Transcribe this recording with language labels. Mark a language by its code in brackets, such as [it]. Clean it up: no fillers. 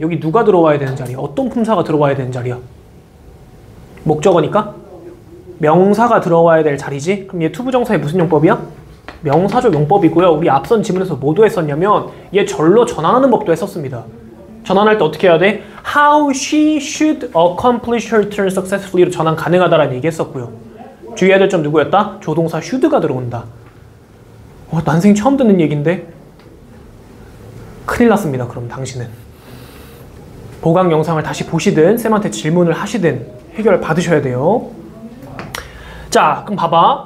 [ko] 여기 누가 들어와야 되는 자리야? 어떤 품사가 들어와야 되는 자리야? 목적어니까? 명사가 들어와야 될 자리지? 그럼 얘 투부정사의 무슨 용법이야? 명사적 용법이고요. 우리 앞선 지문에서 뭐도 했었냐면 얘 절로 전환하는 법도 했었습니다. 전환할 때 어떻게 해야 돼? [en] How she should accomplish her turn successfully [ko] 로 전환 가능하다라는 얘기 했었고요. 주의해야 될 점 누구였다? 조동사 should가 들어온다. 난생 처음 듣는 얘긴데? 큰일 났습니다. 그럼 당신은 보강 영상을 다시 보시든 쌤한테 질문을 하시든 해결 받으셔야 돼요. 자, 그럼 봐봐.